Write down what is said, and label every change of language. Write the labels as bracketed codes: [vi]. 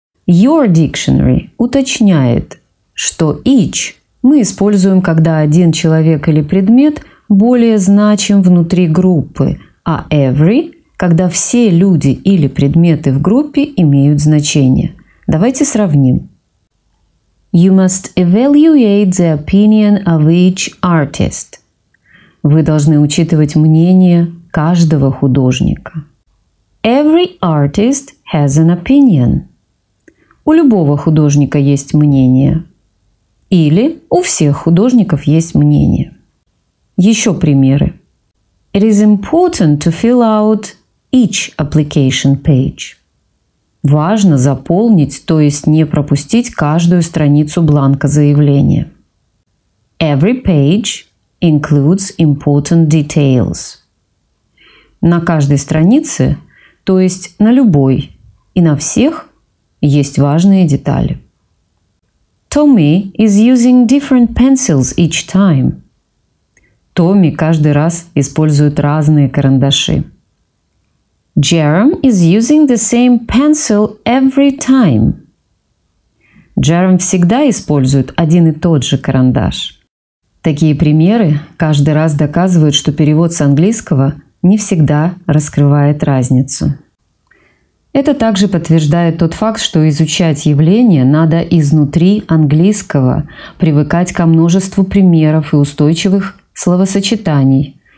[ru] Your dictionary уточняет, что each мы используем, когда один человек или предмет более значим внутри группы, а every – когда все люди или предметы в группе имеют значение. Давайте сравним. [en] You must evaluate the opinion of each artist. [ru] Вы должны учитывать мнение каждого художника. [en] Every artist has an opinion. [ru] У любого художника есть мнение. Или у всех художников есть мнение. Еще примеры. [en] It is important to fill out each application page. [ru] Важно заполнить, то есть не пропустить каждую страницу бланка заявления. [en] Every page includes important details. [ru] На каждой странице, то есть на любой и на всех, есть важные детали. [en] Tommy is using different pencils each time. [ru] Томми каждый раз использует разные карандаши. [en] Jerome is using the same pencil every time. [ru] Джером всегда использует один и тот же карандаш. Такие примеры каждый раз доказывают, что перевод с английского не всегда раскрывает разницу. Это также подтверждает тот факт, что изучать явление надо изнутри английского, привыкать ко множеству примеров и устойчивых словосочетаний.